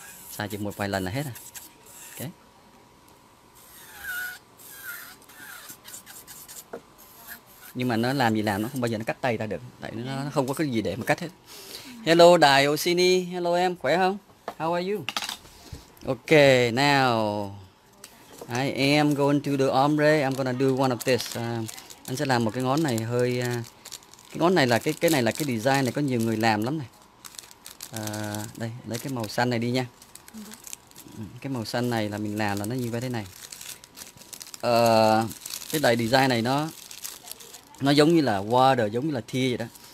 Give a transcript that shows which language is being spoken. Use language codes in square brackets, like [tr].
[vi] Xài chừng một vài lần là hết à. Okay. Nhưng mà nó làm gì làm nó không bao giờ nó cắt tay ra được. Tại nó không có cái gì để mà cắt hết. Hello Đài Oxini, hello em, khỏe không? [en] How are you? Ok, now I am going to do ombre, I'm gonna do one of this. [vi] Anh sẽ làm một cái ngón này hơi cái ngón này là cái này là cái design này có nhiều người làm lắm này. Đây, lấy cái màu xanh này đi nha. Cái màu xanh này là mình làm là nó như thế này. Cái đài design này nó giống như là water, giống như là thia vậy đó.